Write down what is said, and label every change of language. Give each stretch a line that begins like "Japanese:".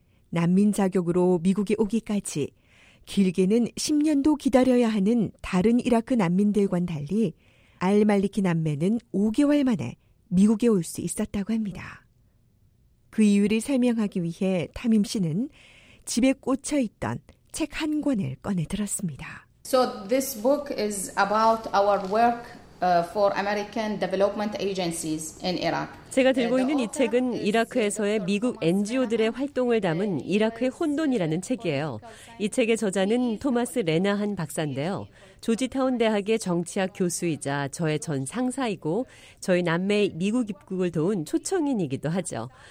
Korean: 난민 자격으로 미국에 오기까지 길게는 10년도 기다려야 하는 다른 이라크 난민들과는 달리 알말리키 남매는 5개월 만에 미국에 올 수 있었다고 합니다. 그 이유를 설명하기 위해 타밈 씨는 집에 꽂혀 있던 책 한 권을 꺼내 들었습니다.
English: So this book is about our work for American development agencies in Iraq.
Korean: 제가 들고 있는 이 책은 이라크에서의 미국 NGO들의 활동을 담은 이라크의 혼돈이라는 책이에요. 이 책의 저자는 토마스 레나한 박사인데요. 조지타운 대학의 정치학 교수이자 저의 전 상사이고 저희 남매의 미국 입국을 도운 초청인이기도 하죠.